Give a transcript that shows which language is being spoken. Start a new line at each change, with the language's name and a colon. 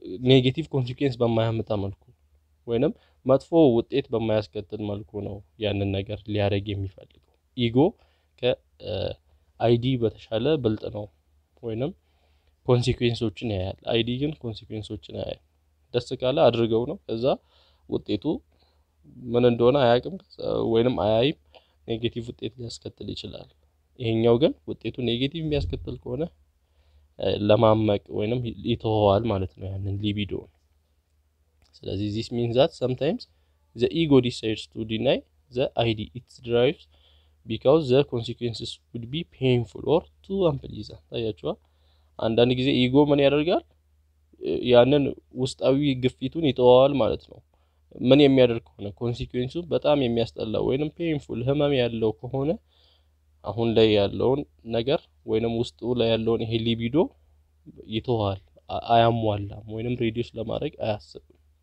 Amharic: ኔጌቲቭ ኮንሲኩዌንስ በማያመጣ መልኩ ወይንም መጥፎ ውጤት በማያስከትል መልኩ ነው ያንን ነገር ሊያደርግ የሚፈልገው። ኢጎ ከአይዲ በተሻለ ብልጥ ነው፣ ወይንም ኮንሲኩዌንሶችን ያያል። አይዲ ግን ኮንሲኩዌንሶችን ያያል። ደስ ካለ አድርገው ነው፣ ከዛ ውጤቱ ምን እንደሆነ አያውቅም ወይንም አያይም። ኔጌቲቭ ውጤት ሊያስከትል ይችላል። ይሄኛው ግን ውጤቱ ኔጌቲቭ የሚያስከትል ከሆነ ለማመቅ ወይንም ይተዋል ማለት ነው ያንን ሊቢዶ። ስለዚህ
English: this means that sometimes the ego decides to deny the id it drives because the consequences would be painful or too unpleasant.
Amharic: አያችሁ አንዳንድ ጊዜ ኢጎ ምን ያደርጋል? ያንን ውስጣዊ ግፊቱን ይተዋል ማለት ነው። ምን የሚያደርግ ከሆነ consequence በጣም የሚያስጠላ ወይንም painful ህመም ያለው ከሆነ አሁን ላይ ያለውን ነገር ወይንም ውስጡ ላይ ያለውን ይሄ ሊቢዶ ይተዋል አያሟላም ወይንም reduce ለማድረግ አያስብም።